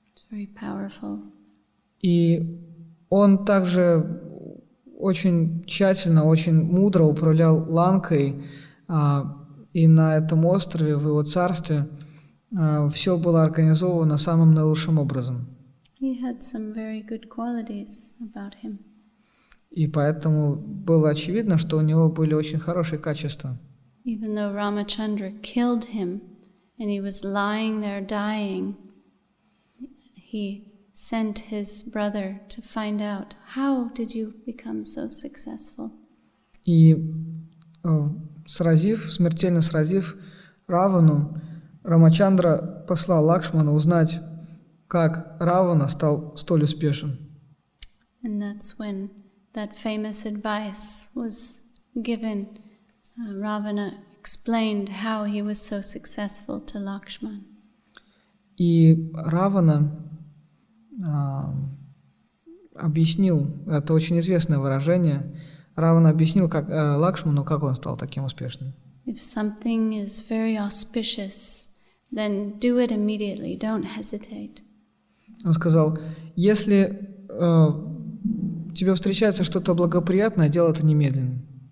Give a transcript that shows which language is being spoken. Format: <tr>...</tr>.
<en>Very powerful.</en> <ru>И он также очень тщательно, очень мудро управлял Ланкой, и на этом острове, в его царстве, все было организовано самым наилучшим образом.</ru> <en>He had some very good qualities about him.</en> <ru>И поэтому было очевидно, что у него были очень хорошие качества.</ru> <en>Even though Ramachandra killed him, and he was lying there dying, he sent his brother to find out, how did you become so successful?</en> <ru>И смертельно сразив Равану, Рамачандра послал Лакшмана узнать, как Равана стал столь успешен.</ru> <en>And that's when that famous advice was given. Ravana explained how he was so successful to Lakshman.</en> <ru>И Равана объяснил, это очень известное выражение, Равана объяснил как Лакшману, как он стал таким успешным.</ru> <en>If something is very auspicious, then do it immediately, don't hesitate.</en> <ru>Он сказал, если тебе встречается что-то благоприятное, делай это немедленно.</ru>